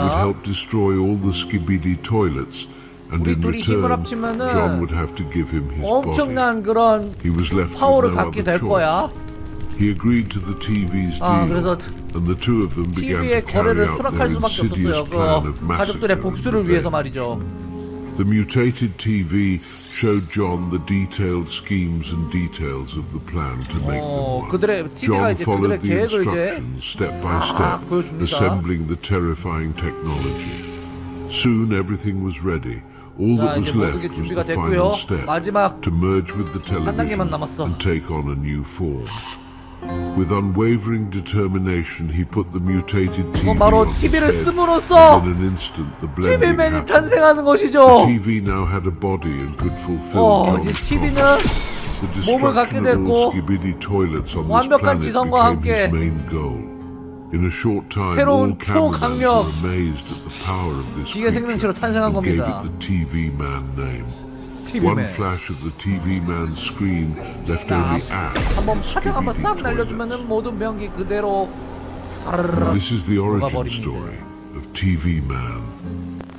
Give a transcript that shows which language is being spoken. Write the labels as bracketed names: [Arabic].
[English] He would help destroy all the Skibidi toilets, and in return, John would have to give him his body. [Korean] 엄청난 그런 파워를 갖게 될 거야. [English] He agreed to the TV's deal, and the two of them began to carry out their insidious plan of massacre. [Korean] 가족들의 복수를 위해서 말이죠. [English] The mutated TV showed John the detailed schemes and details of the plan to make them work. [Korean] 그들의 TV가 이제 [English] followed [Korean] 그들의 [English] the instructions step by step, assembling the terrifying technology. Soon everything was ready. All that was left was the final step to merge with the television and take on a new form. With unwavering determination, he put the mutated TV on his head. In an instant, the [Korean] TV맨이 탄생하는 것이죠. [English] The TV now had a body and could fulfill John's promise. The destruction of all Skibidi toilets on this planet became his main goal. In a short time, all cameramen were amazed at the power of this creature and gave it the TV man name. [Korean] TV맨. [English] One flash of the TV man's screen left only ash. [Korean] 한번 화장 한번 싹 날려주면은 모든 병기 그대로. [English] This is the origin story of TV man.